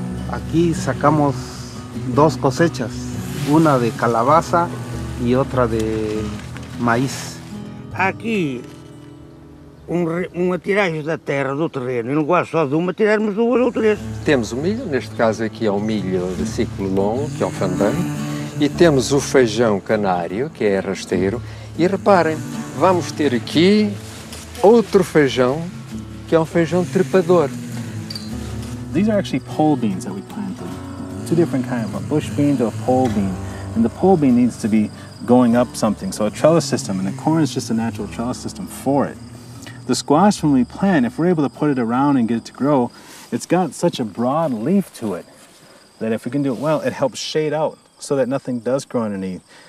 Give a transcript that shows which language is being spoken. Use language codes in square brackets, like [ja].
[es] Aquí sacamos dos cosechas, una de calabaza y otra de maíz. [pt] Aquí, uma tiragem da terra, do terreno, e não gosto só de uma, tirarmos duas ou três. Temos o milho, neste caso aqui é o milho de ciclo longo, que é o fandango, e temos o feijão canário, que é rasteiro, e reparem, vamos ter aqui outro feijão, que é um feijão trepador. [en] These are actually pole beans that we planted. Two different kinds, a bush bean to a pole bean. And the pole bean needs to be going up something. So a trellis system, and the corn is just a natural trellis system for it. The squash, when we plant, if we're able to put it around and get it to grow, it's got such a broad leaf to it that if we can do it well, it helps shade out so that nothing does grow underneath.